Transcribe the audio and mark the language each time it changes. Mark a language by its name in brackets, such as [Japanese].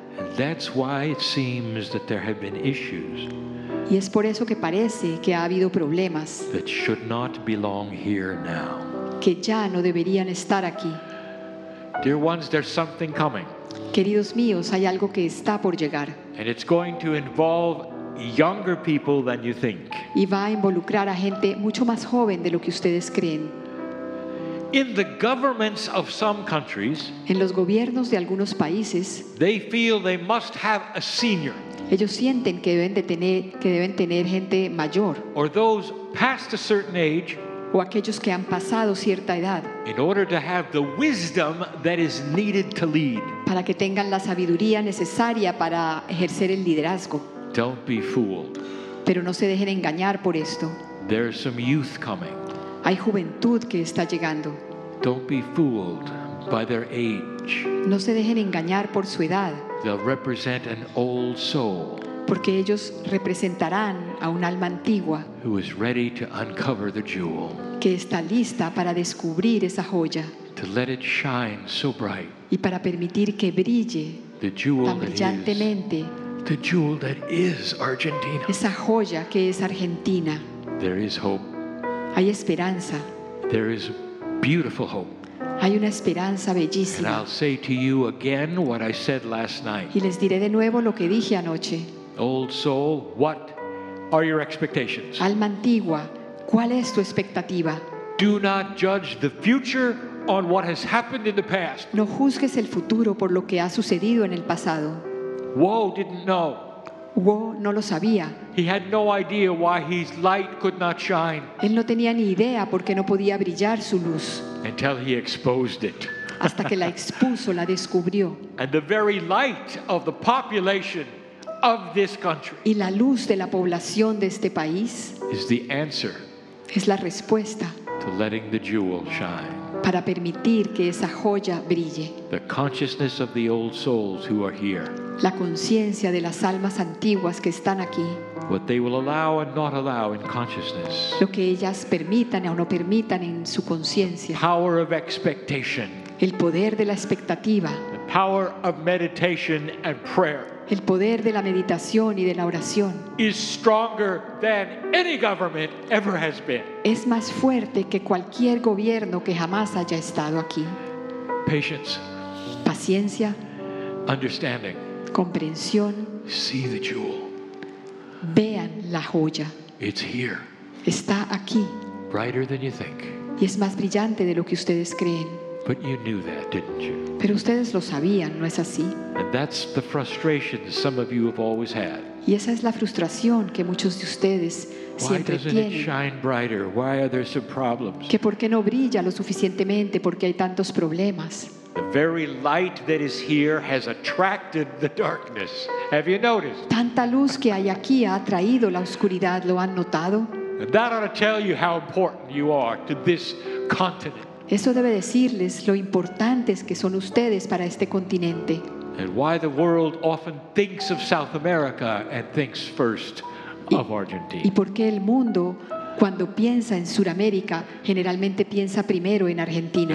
[English] And that's why it seems that there have been issues. [Spanish] Y es por eso que parece que ha habido problemas [English] that should not belong here now. [Spanish] Que ya no deberían estar aquí. [English] Dear ones, there's something coming. [Spanish] Queridos míos, hay algo que está por llegar. [English] And it's going to involve younger people than you think. [Spanish] Y va a involucrar a gente mucho más joven de lo que ustedes creen. [English] In the governments of some countries, [Spanish] en los gobiernos de algunos países, [English] they feel they must have a senior. [Spanish] Ellos sienten que deben tener gente mayor, [English] or those past a certain age, [Spanish] o aquellos que han pasado cierta edad, [English] in order to have the wisdom that is needed to lead. [Spanish] Para que tengan la sabiduría necesaria para ejercer el liderazgo. [English] Don't be fooled. [Spanish] Pero no se dejen engañar por esto. [English] There's some youth coming. [Spanish] Hay juventud que está llegando. [English] Don't be fooled by their age. [Spanish] No se dejen engañar por su edad. [English] They'll represent an old soul. [Spanish] Porque ellos representarán a un alma antigua. [English] Who is ready to uncover the jewel. [Spanish] Que está lista para descubrir esa joya. [English] To let it shine so bright. [Spanish] Y para permitir que brille [English] the jewel [Spanish] tan brillantemente. [English] The jewel that is Argentina. [Spanish] Esa joya que es Argentina. [English] There is hope. [Spanish] Hay esperanza. [English] There is beautiful hope. [Spanish] Hay una esperanza bellísima. [English] And I'll say to you again what I said last night. [Spanish] Y les diré de nuevo lo que dije anoche. [English] Old soul, what are your expectations? [Spanish] Alma antigua, ¿cuál es tu expectativa? [English] Do not judge the future on what has happened in the past. [Spanish] No juzgues el futuro por lo que ha sucedido en el pasado. [English] Woe didn't know. [Spanish] Woe no lo sabía. [English] He had no idea why his light could not shine. [Spanish] Él no tenía ni idea por qué no podía brillar su luz. [English] Until he exposed it. [Spanish] Hasta que la expuso, la descubrió. [English] And the very light of the population of this country. [Spanish] Y la luz de la población de este país. [English] Is the answer. [Spanish] Es la respuesta. [English] To letting the jewel shine. [Spanish] Para permitir que esa joya brille. [English] The consciousness of the old souls who are here. [Spanish] La conciencia de las almas antiguas que están aquí. [English] What they will allow and not allow in consciousness. [Spanish] Lo que ellas permitan o no permitan en su conciencia. [English] The power of expectation. [Spanish] El poder de la expectativa. [English] The power of meditation and prayer. [Spanish] El poder de la meditación y de la oración [English] is stronger than any government ever has been. [Spanish] Es más fuerte que cualquier gobierno que jamás haya estado aquí. [English] Patience. [Spanish] Paciencia. [English] Understanding. [Spanish] Comprensión. [English] See the jewel. [Spanish] Vean la joya. [English] It's here. [Spanish] Está aquí. [English] Brighter than you think. [Spanish] Y es más brillante de lo que ustedes creen. [English] But you knew that, didn't you? [Spanish] Pero ustedes lo sabían, ¿no es así? [English] And that's the frustration some of you have always had. [Spanish] Y esa es la frustración que muchos de ustedes siempre tienen. [English] Why doesn't it shine brighter? Why are there some problems? [Spanish] ¿Que por qué no brilla lo suficientemente? ¿Por qué hay tantos problemas? [English] The very light that is here has attracted the darkness. Have you noticed? [Spanish] Tanta luz que hay aquí ha atraído la oscuridad. ¿Lo han notado? [English] And that ought to tell you how important you are to this continent. [Spanish] Eso debe decirles lo importantes que son ustedes para este continente. [English] And why the world often thinks of South America and thinks first of Argentina. [Spanish] Y por qué el mundo cuando piensa en Sudamérica generalmente piensa primero en Argentina.